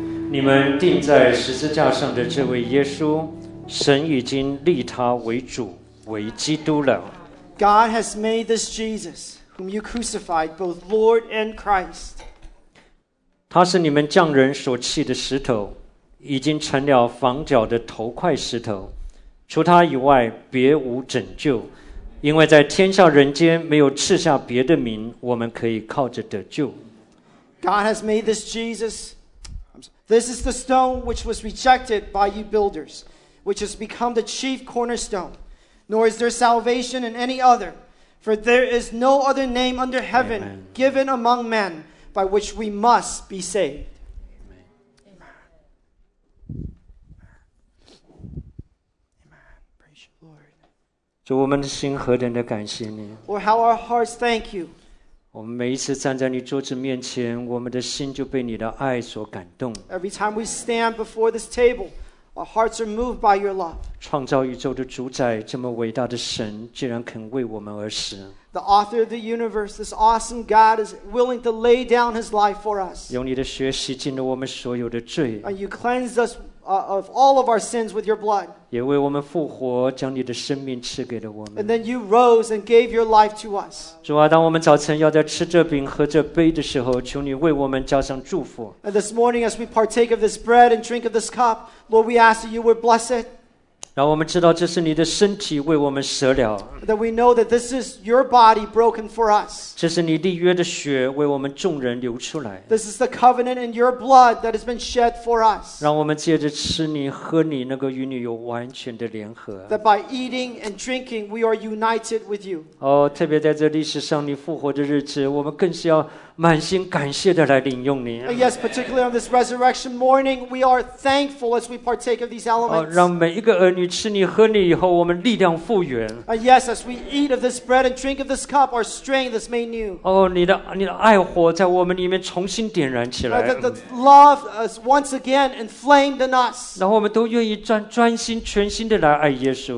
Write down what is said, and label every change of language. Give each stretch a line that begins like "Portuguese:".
Chinese: 你们钉在十字架上的这位耶稣，神已经立他为主，为基督了。
English: God has made this Jesus, whom you crucified, both Lord and Christ.
Chinese: 他是你们匠人所弃的石头，已经成了房角的头块石头。除他以外，别无拯救，因为在天下人间没有赐下别的名，我们可以靠着得救。
English: God has made this Jesus. This is the stone which was rejected by you builders, which has become the chief cornerstone. Nor is there salvation in any other, for there is no other name under heaven、Amen. given among men by which we must be saved. Amen. Amen. Amen. Praise you, Lord. Lord, how our hearts thank you.
Chinese: 我们每一次站在你桌子面前，我们的心就被你的爱所感动。
English: Every time we stand before this table. Our hearts are moved by your love.
Chinese: 创造宇宙的主宰，这么伟大的神，竟然肯为我们而死。
English: The author of the universe, this awesome God, is willing to lay down his life for us.
Chinese: 用你的血洗净了我们所有的罪。
English: And you cleansed us of all of our sins with your blood.
Chinese: 也为我们复活，将你的生命赐给了我们。
English: And then you rose and gave your life to us.
Chinese: 主啊，当我们早晨要在吃这饼喝这杯的时候，求你为我们加上祝福。
English: And this morning, as we partake of this bread and drink of this cup. Lord, we ask that you would bless it.
Chinese: 让我们知道这是你的身体为我们舍了。
English: That we know that this is your body broken for us.
Chinese: 这是你立约的血为我们众人流出来。
English: This is the covenant in your blood that has been shed for us.
Chinese: 让我们借着吃你喝你能够与你有完全的联合。
English: That by eating and drinking, we are united with you.
Chinese: 哦，特别在这历史上你复活的日子，我们更是要满心感谢的来领用你。
English: Yes, particularly on this resurrection morning, we are thankful as we partake of these elements.
Chinese: 让每一个儿女吃你喝你以后，我们力量复原。
English: Yes, as we eat of this bread and drink of this cup, our strength is made new.
Chinese: 哦，你的爱火在我们里面重新点燃起来。
English: The love is once again inflamed in us.
Chinese: 然后我们都愿意专心全心的来爱耶稣。